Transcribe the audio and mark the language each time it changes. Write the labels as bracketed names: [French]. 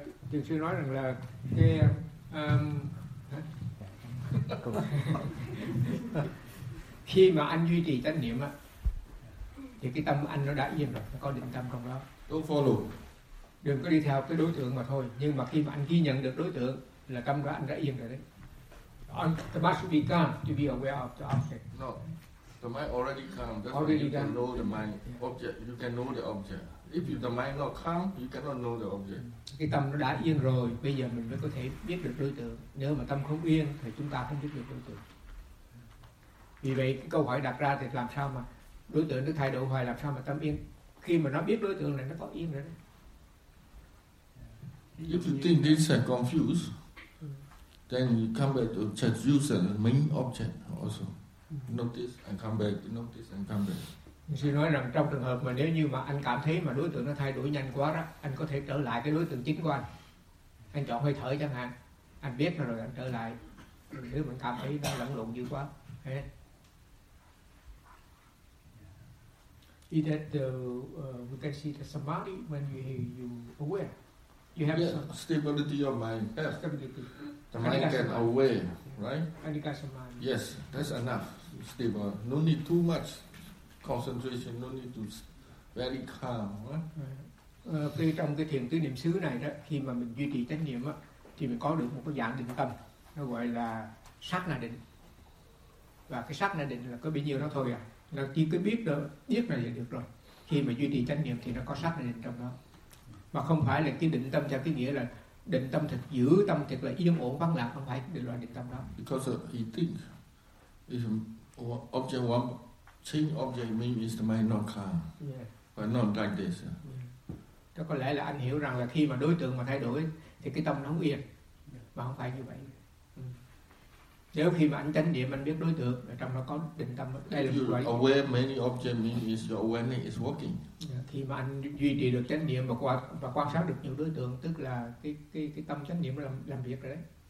[Vietnamese] Thì sư nói rằng là cái khi mà anh duy trì tánh niệm á, thì cái tâm anh nó đã yên rồi, nó có định tâm trong đó. [English] Don't follow. [Vietnamese] Đừng có đi theo cái đối tượng mà thôi. Nhưng mà khi mà anh ghi nhận được đối tượng là tâm đó anh đã yên rồi đấy. [English] The mind should be calm to be aware of the object. No, the mind already calm. That's already why you can know the mind object. You can know the object. If the mind not calm, you cannot know the object. [Vietnamese] Cái tâm nó đã yên rồi, bây giờ mình mới có thể biết được đối tượng. Nếu mà tâm không yên thì chúng ta không biết được đối tượng. Vì vậy cái câu hỏi đặt ra thì làm sao mà đối tượng nó thay đổi hoài, làm sao mà tâm yên? Khi mà nó biết đối tượng này, nó có yên rồi đấy. [English] If you think this is confused, then you come back to choose the main object also. Notice and come back, notice and come back. [Vietnamese] Sư nói rằng trong trường hợp mà nếu như mà anh cảm thấy mà đối tượng nó thay đổi nhanh quá đó, anh có thể trở lại cái đối tượng chính của anh. Anh chọn hơi thở chẳng hạn, anh biết rồi anh trở lại. Nếu mình cảm thấy nó lẫn lộn dữ quá. [English] Is that we can see the samadhi when you aware? You have stability of mind. Yeah. Stability. The mind can aware, right? Anika samadhi. Yes, that's enough. Stable. No need too much concentration. No need to very calm. Right? [Vietnamese] Trong cái thiền tứ niệm xứ này đó, khi mà mình duy trì chánh niệm á, thì mình có được một cái dạng định tâm, nó gọi là sát na định. Và cái sát na định là có bao nhiêu đó thôi à? Là chỉ cứ biết đó, biết là vậy được rồi. Khi mà duy trì chánh niệm thì nó có sắc là định trong đó, mà không phải là cái định tâm theo cái nghĩa là định tâm thật giữ tâm thật là yên ổn vắng lặng, không phải cái loại định tâm đó. [English] Because he thinks is object one, think object mean is the mind not calm, but not like this. [Vietnamese] Đó có lẽ là anh hiểu rằng là khi mà đối tượng mà thay đổi thì cái tâm nó không yên, mà không phải như vậy. Nếu khi mà anh chánh niệm, anh biết đối tượng, trong đó có định tâm. Đây là you're quả. [English] Aware many objects means is your awareness is working. [Vietnamese] Khi mà anh duy trì được chánh niệm và quan sát được nhiều đối tượng, tức là cái tâm chánh niệm làm việc rồi đấy.